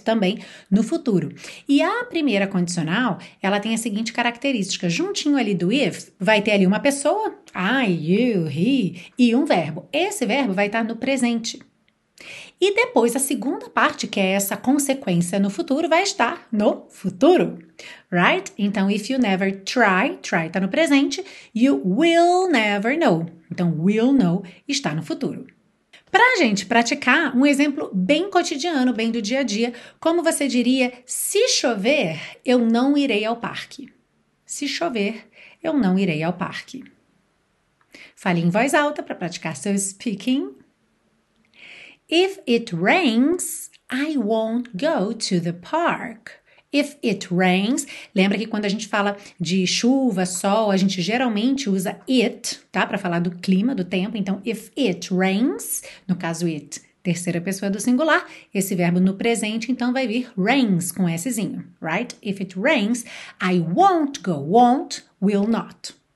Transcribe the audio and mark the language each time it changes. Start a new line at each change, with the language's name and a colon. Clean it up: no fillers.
Portuguese: Também no futuro. E a primeira condicional, ela tem a seguinte característica: juntinho ali do if, vai ter ali uma pessoa, I, you, he, e um verbo. Esse verbo vai estar no presente. E depois a segunda parte, que é essa consequência no futuro, vai estar no futuro, right?
English: Então, if you never try, try
Portuguese: está no presente,
English: you will never know.
Portuguese: Então, will know está no futuro. Para a gente praticar, um exemplo bem cotidiano, bem do dia a dia, como você diria: se chover, eu não irei ao parque. Se chover, eu não irei ao parque. Fale em voz alta para praticar seu speaking.
English: If it rains, I won't go to the park. If it rains,
Portuguese: lembra que quando a gente fala de chuva, sol, a gente geralmente usa it, tá? Para falar do clima, do tempo. Então,
English: if it rains,
Portuguese: no caso it, terceira pessoa do singular, esse verbo no presente, então vai vir rains com Szinho, right?
English: If it rains, I won't go, won't, will not.